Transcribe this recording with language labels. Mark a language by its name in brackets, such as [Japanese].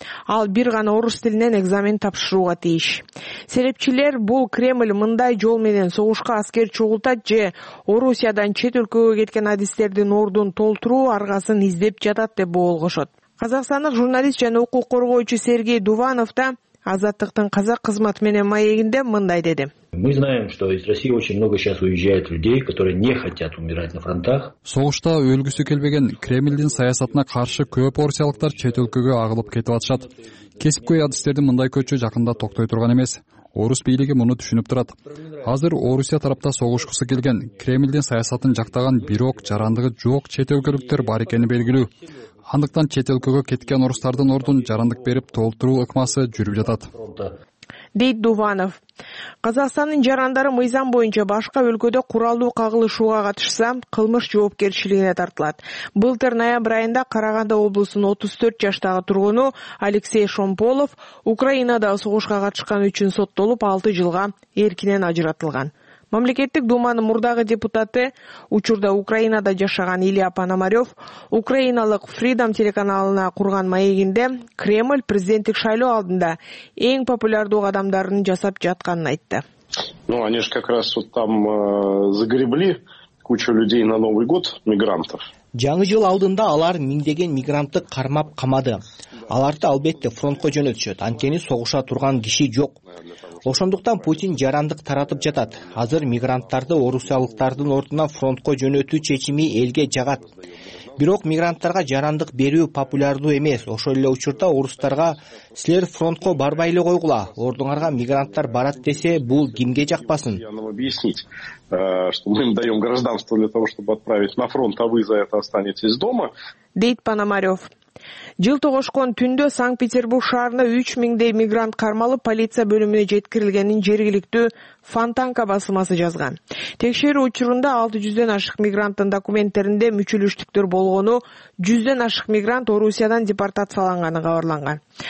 [Kyrgyz] Ал бир гана орус тилинен экзамен тапшырууга тийиш. Серепчилер бул Кремль мындай жол менен согушка аскер чогултат же Орусиядан чет өлкөгө кеткен адистердин ордун толтуруу аргасын издеп жатат деп болгошот. Казакстандык журналист жана укук коргоочу Сергей Дуванов да Азаттыктын казак кызмат менен маегинде мындай деди. [Russian] Мы знаем, что из России очень много сейчас уезжает людей, которые не хотят умирать на фронтах. [Kyrgyz] Согушта өлгүсү келбеген Кремлдин саясатына каршы көп орусиялыктар чет өлкөгө агылып кетип атышат. Кесипкөй адистердин мындай көчү жакында токтой турган эмес. Орус бийлиги муну түшүнүп турат. Азыр Орусия тарапта согушкусу келген Кремлдин саясатын жактаган бирок жарандыгы жок чет өлкөлүктөр бар экени белгилүү. Андыктан чет өлкөгө кеткен орустардын ордун жарандык берип толтуруу ыкмасы жүрүп жатат. Дейт Дуванов. Казахстандын жарандары мыйзам боюнча башка өлкөдө куралдуу кагылышууга катышса, кылмыш жоопкерчилигине тартылат. Былтыр ноябрь айында Караганды облусунун 34 жаштагы тургуну Алексей Шомполов Украинада согушка катышканы үчүн соттолуп 6 жылга эркинен ажыратылган. Мамлекеттик Думанын мурдагы депутаты, учурда Украинада жашаган Илья Пономарёв, Украиналык Freedom телеканалына курган маегинде Кремль президенттик шайлоо алдында эң популярдуу адамдарын жасап жатканын айтты. [Russian] Ну, они же как раз вот там загребли кучу людей на Новый год, мигрантов. [Kyrgyz] Жаңы жыл алдында алар миңдеген мигрантты кармап камады. Аларды албетте фронтко жөнөтүшөт, анткени согуша турган киши жок. Ошондуктан Путин жарандык таратып жатат. Азыр мигранттарды орусиялыктардын ордуна фронтко жөнөтүү чечими элге жагат. Бирок мигранттарга жарандык берүү популярдуу эмес. Ошол эле учурда орустарга силер фронтко барбай эле койгула. Ордуңарга мигранттар барат десе, бул кимге жакпасын? [Russian] Что мы им даем гражданство для того, чтобы отправить на фронт, а вы за это останетесь дома. [Kyrgyz] Дейт Пономарёв. Жыл тогошкон түндө Санкт-Петербург шаарына 3000 мигрант кармалып, полиция бөлүмүнө жеткирилгенин жергиликтүү Фонтанка басылмасы жазган. Текшерүү учурунда 600 ашык мигранттын документтеринде мүчөлүштүктөр болгону, 100 ашык мигрант Орусиядан депортацияланганы кабарланган.